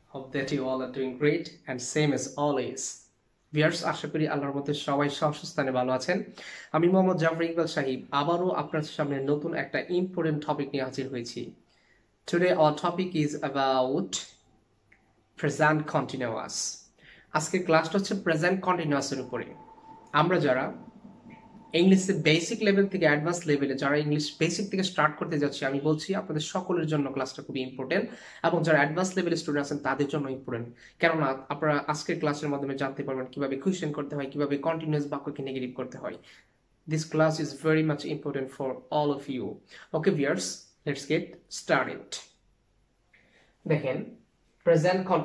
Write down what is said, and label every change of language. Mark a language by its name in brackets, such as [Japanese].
[English] Hope that you all are doing great and same as always. [Bangla] Viewers, আশা করি আল্লাহর মধ্যে সবাই সুস্থ স্থানে ভালো আছেন। আমি মোহাম্মদ জাফর ইকবাল সাহিব আবারো আপনাদের সামনে নতুন একটা ইম্পর্টেন্ট টপিক নিয়ে হাজির হয়েছি। [English] Today our topic is about present continuous. [Bangla] আজকে ক্লাসটা হচ্ছে present continuous এর উপরে। আমরা যারা ইংলিশে বেসিক লেভেল থেকে অ্যাডভান্স লেভেলে যারা ইংলিশ বেসিক থেকে স্টার্ট করতে যাচ্ছি আমি বলছি আপনাদের সকলের জন্য ক্লাসটা খুবই ইম্পর্টেন্ট এবং যারা অ্যাডভান্স লেভেলে স্টুডেন্ট আছেন তাদের জন্য ইম্পর্টেন্ট কেননা আপনারা আজকের ক্লাসের মাধ্যমে জানতে পারবেন কিভাবে কোয়েশ্চন করতে হয় কিভাবে কন্টিনিউয়াস বাক্যকে নেগেটিভ করতে হয় [English] this class is very much important for all of you okay viewers let's get started [Bangla] দেখেন প্রেজেন্ট